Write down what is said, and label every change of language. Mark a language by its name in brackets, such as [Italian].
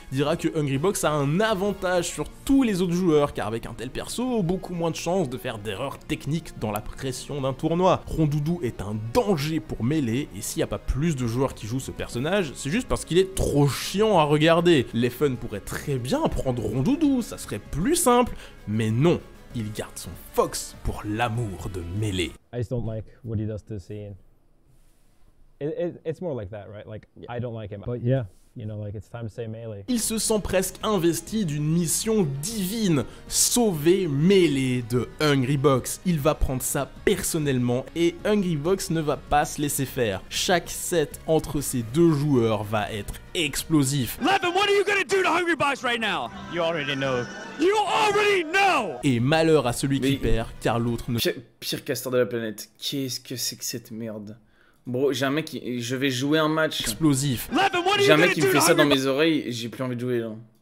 [French] Il dira que Hungrybox a un avantage sur tous les autres joueurs, car avec un tel perso, beaucoup moins de chances de faire d'erreurs techniques dans la pression d'un tournoi. Rondoudou est un danger pour Melee, et s'il n'y a pas plus de joueurs qui jouent ce personnage, c'est juste parce qu'il est trop chiant à regarder. Les fans pourrait très bien prendre Rondoudou, ça serait plus simple, mais non, il garde son Fox pour l'amour de Melee. [English] I just don't like what he does to the scene. It's more like that, right? Like, yeah. I don't like him. But yeah, [French] Il se sent presque investi d'une mission divine, sauver Melee de Hungrybox. Il va prendre ça personnellement et Hungrybox ne va pas se laisser faire. Chaque set entre ces deux joueurs va être explosif. [English] Levin, what are you gonna do to Hungrybox right now? You already know. You already know! [French] Et malheur à celui qui perd, car l'autre ne... Pire caster de la planète, qu'est-ce que c'est que cette merde? Bro, j'ai un mec qui... Je vais jouer un match. Explosif. J'ai un mec qui me fait ça dans mes oreilles, j'ai plus envie de jouer là.